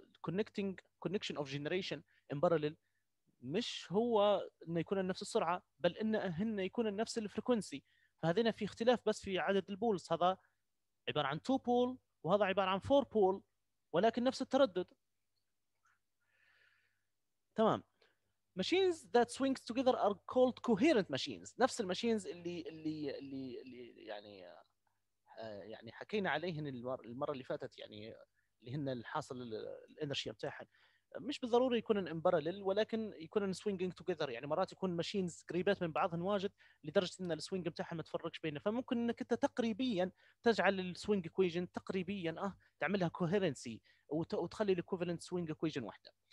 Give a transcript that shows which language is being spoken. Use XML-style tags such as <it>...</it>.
<en>connecting connection of generation in parallel</en> <ar>مش هو انه يكون نفس السرعه بل انه يكون نفس الفريكونسي. فهذين في اختلاف بس في عدد البولز، هذا عباره عن 2 بول وهذا عباره عن 4 بول ولكن نفس التردد. تمام.</ar> <en>Machines that swing together are called coherent machines.</en> <ar>نفس الماشينز اللي اللي اللي اللي يعني يعني حكينا عليهن المرة اللي فاتت، يعني اللي هن الحاصل الانرجي بتاعهن مش بالضروري يكونن</ar> <en>in parallel</en> <ar>ولكن يكونن</ar> <en>swinging together.</en> <ar>يعني مرات يكون ماشينز قريبات من بعضهن واجد لدرجة ان السوينج بتاعهن ما تفرقش بينه، فممكن انك انت تقريبيا تجعل السوينج equation تقريبيا تعملها coherency وتخلي الequivalent swing equation واحدة.</ar>